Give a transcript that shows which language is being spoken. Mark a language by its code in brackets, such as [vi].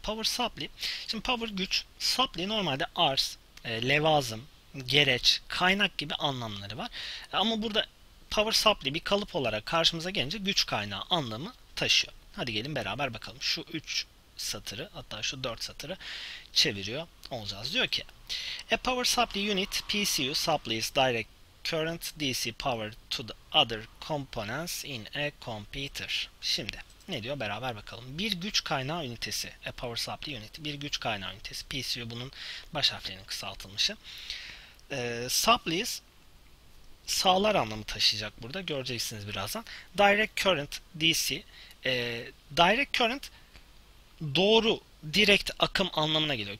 [tr] Power supply, şimdi power güç, supply normalde arz, levazım, gereç, kaynak gibi anlamları var. Ama burada power supply bir kalıp olarak karşımıza gelince güç kaynağı anlamı taşıyor. Hadi gelin beraber bakalım. Şu 3 satırı, hatta şu 4 satırı çeviriyor olacağız. Diyor ki: [en] A power supply unit PCU supplies direct current DC power to the other components in a computer. [tr] Şimdi ne diyor, beraber bakalım. Bir güç kaynağı ünitesi, [en] a power supply unit, [tr] bir güç kaynağı ünitesi, PCU bunun baş harflerinin kısaltılmışı. Supplies sağlar anlamı taşıyacak burada, göreceksiniz birazdan. [en] Direct current DC, direct current [tr] doğru, direkt akım anlamına geliyor.